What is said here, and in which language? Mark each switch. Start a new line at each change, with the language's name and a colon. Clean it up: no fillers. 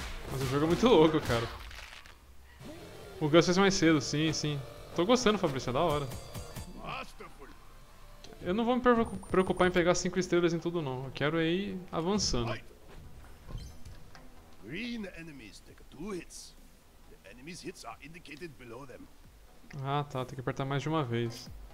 Portuguese: Mas o jogo é muito louco, cara. O Gus fez mais cedo, sim, sim. Tô gostando, Fabrício, é da hora. Eu não vou me preocupar em pegar 5 estrelas em tudo não, eu quero ir avançando.
English: Green enemies take 2 hits. The enemies' hits are indicated below them.
Portuguese: Ah, tá, tem que apertar mais de uma vez.